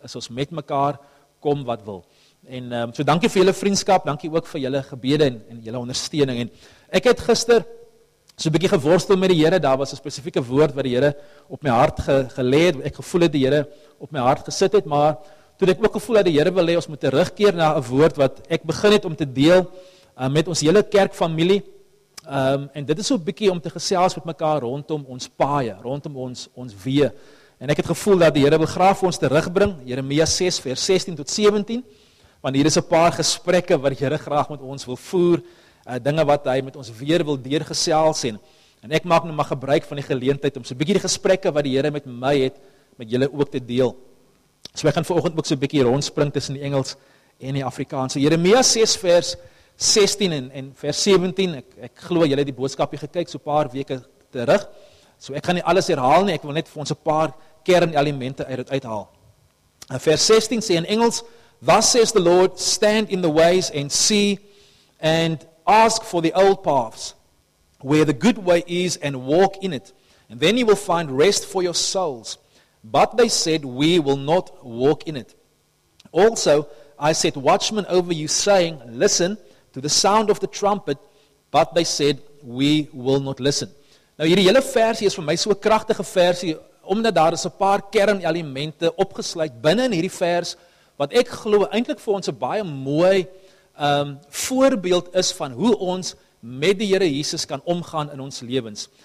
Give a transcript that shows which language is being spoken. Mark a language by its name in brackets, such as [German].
[Afrikaans] As ons met mekaar kom wat wil. En so dankie vir julle vriendskap, dankie ook vir julle gebede en julle ondersteuning. En ek het gister so 'n bietjie geworstel met die Here. Daar was 'n spesifieke woord wat die Here op my hart gelê het. Ek gevoel het die Here op my hart gesit het, maar toe ek ook gevoel dat die Here wil hê ons moet terugkeer na 'n woord wat ek begin het om te deel met ons hele kerkfamilie. En dit is so 'n bietjie om te gesels met mekaar rondom ons paaie, rondom ons weë. En ek het gevoel dat die Here wil graag vir ons terugbring, Jeremia 6 vers 16 tot 17. Want hier is 'n paar gesprekke wat die Here graag met ons wil voer, dinge wat hy met ons weer wil deurgesels en ek maak nou maar gebruik van die geleentheid om so 'n bietjie die gesprekke wat die Here met my het met julle ook te deel. So ek gaan vanoggend ook so 'n bietjie rondspring tussen die Engels en die Afrikaans. Jeremia 6 vers 16 en vers 17, ek glo julle het die boodskapie gekyk so 'n paar weke terug. So ek gaan nie alles herhaal nie, ek wil net vir ons 'n paar kernelemente uit dit uithaal. En vers 16 sê in Engels, [English] Thus says the Lord, stand in the ways and see and ask for the old paths, where the good way is and walk in it, and then you will find rest for your souls. But they said, we will not walk in it. Also, I set watchmen over you saying, listen, to the sound of the trumpet, but they said, we will not listen. [Afrikaans] Nou, hierdie hele versie is vir my so 'n kragtige versie, omdat daar is 'n paar kernelemente opgesluit binne in hierdie vers, wat ek glo eintlik vir ons 'n baie mooi voorbeeld is van hoe ons met die Here Jesus kan omgaan in ons lewens.